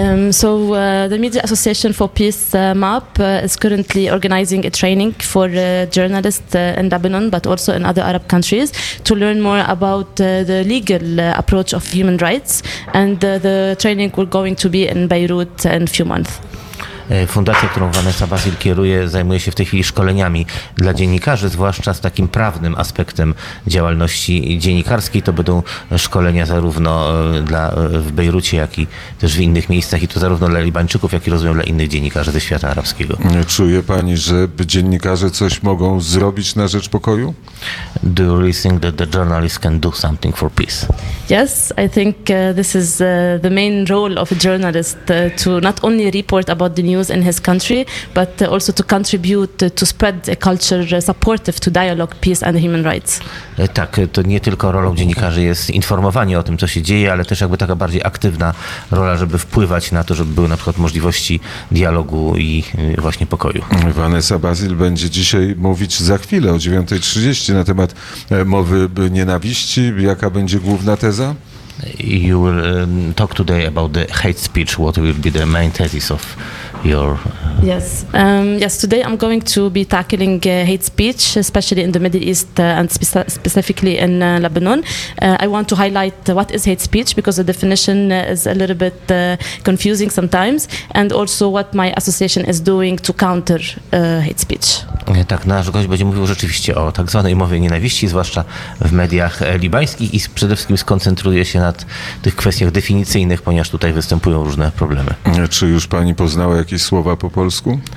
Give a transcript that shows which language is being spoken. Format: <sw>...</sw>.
<en>So the Media Association for Peace MAP is currently organizing a training for journalists in Lebanon, but also in other Arab countries, to learn more about the legal approach of human rights. And the training will going to be in Beirut in a few months.</en> <pl>Fundacja, którą Vanessa Basile kieruje, zajmuje się w tej chwili szkoleniami dla dziennikarzy, zwłaszcza z takim prawnym aspektem działalności dziennikarskiej. To będą szkolenia zarówno w Bejrucie, jak i też w innych miejscach, i to zarówno dla Libańczyków, jak i rozumiem dla innych dziennikarzy ze świata arabskiego. Czuje pani, że dziennikarze coś mogą zrobić na rzecz pokoju?</pl> <en>Do you really think that the journalists can do something for peace? Yes, I think this is the main role of a journalist to not only report about the news in his country, but also to contribute to spread a culture supportive to dialogue, peace and human rights.</en> <pl>Tak, to nie tylko rolą dziennikarzy jest informowanie o tym, co się dzieje, ale też jakby taka bardziej aktywna rola, żeby wpływać na to, żeby były na przykład możliwości dialogu i właśnie pokoju. Vanessa Basile będzie dzisiaj mówić za chwilę o 9:30 na temat mowy nienawiści. Jaka będzie główna teza?</pl> <en>You will talk today about the hate speech. What will be the main thesis of your... Yes, today I'm going to be tackling hate speech, especially in the Middle East and specifically in Lebanon. I want to highlight what is hate speech, because the definition is a little bit confusing sometimes, and also what my association is doing to counter hate speech.</en> <pl>Tak, nasz gość będzie mówił rzeczywiście o tak zwanej mowie nienawiści, zwłaszcza w mediach libańskich, i przede wszystkim skoncentruje się nad tych kwestiach definicyjnych, ponieważ tutaj występują różne problemy. Czy już pani poznała jakieś słowa po polsku?</pl>